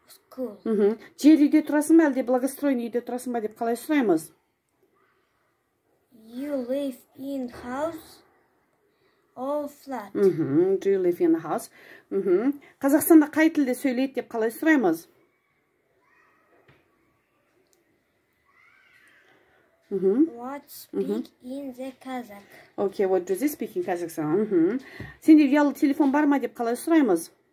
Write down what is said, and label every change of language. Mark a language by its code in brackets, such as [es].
[kk] Жер үйде тұрасың ба, әлде благостроен үйде тұрасың ба деп қалай сұраймыз? [en] You live in house or flat? Do you live in a house? [kk] Қазақстанда қай тілде сөйлейді деп қалай сұраймыз? [en] What speak in the Kazakh? Okay, what do they speak in Kazakhstan? [kk] Сенде ұялы телефон бар ма деп қалай сұраймыз?